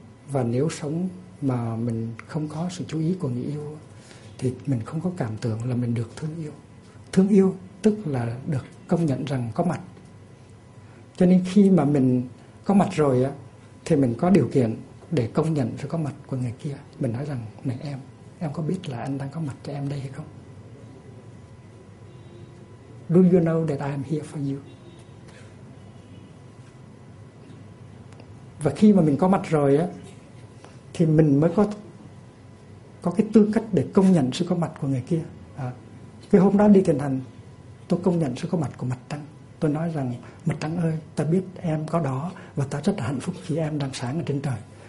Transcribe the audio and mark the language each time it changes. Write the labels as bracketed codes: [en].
[vi] Và nếu sống mà mình không có sự chú ý của người yêu thì mình không có cảm tưởng là mình được thương yêu. Thương yêu tức là được công nhận rằng có mặt. Cho nên khi mà mình có mặt rồi á thì mình có điều kiện để công nhận sự có mặt của người kia. Mình nói rằng: này em có biết là anh đang có mặt cho em đây hay không? [en] Do you know that I am here for you? [vi] Và khi mà mình có mặt rồi á thì mình mới có cái tư cách để công nhận sự có mặt của người kia. Cái hôm đó đi thiền hành, tôi công nhận sự có mặt của mặt trăng. Tôi nói rằng: mặt trăng ơi, ta biết em có đó và ta rất là hạnh phúc khi em đang sáng ở trên trời.